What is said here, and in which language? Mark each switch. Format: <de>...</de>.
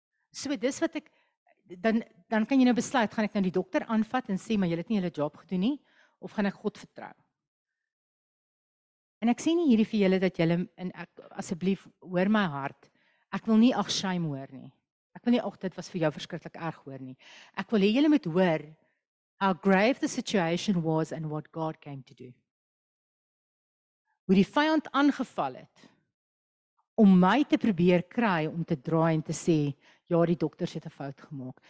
<af>So dis wat ek dan kan jy nou besluit, gaan ek nou die dokter aanvat en sê maar jy het nie julle job gedoen nie of gaan ek God vertrou? En ek sê nie hierdie vir julle dat julle en ek asseblief hoor my hart. Ek wil nie ag shame hoor nie. Ek wil nie ag dit was vir jou verskriklik erg hoor nie. Ek wil hê julle moet hoor</af> <en>how grave the situation was and what God came to do.</en> <af>Hoe die vyand aangeval het om my te probeer kry om te draai en te sê ja, die dokters het 'n fout gemaak.</af>